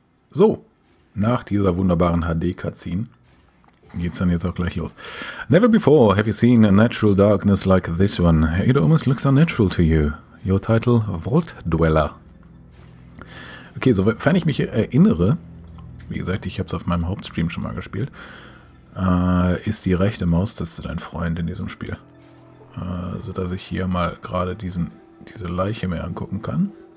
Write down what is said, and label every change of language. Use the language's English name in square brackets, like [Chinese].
[German] So, nach dieser wunderbaren HD-Cutscene geht's dann jetzt auch gleich los. [English] Never before have you seen a natural darkness like this one. It almost looks unnatural to you. Your title, Vault Dweller. [German] Okay, sofern ich mich erinnere, wie gesagt, ich hab's auf meinem Hauptstream schon mal gespielt, ist die rechte Maustaste dein Freund in diesem Spiel. Sodass ich hier mal gerade diese Leiche mir angucken kann.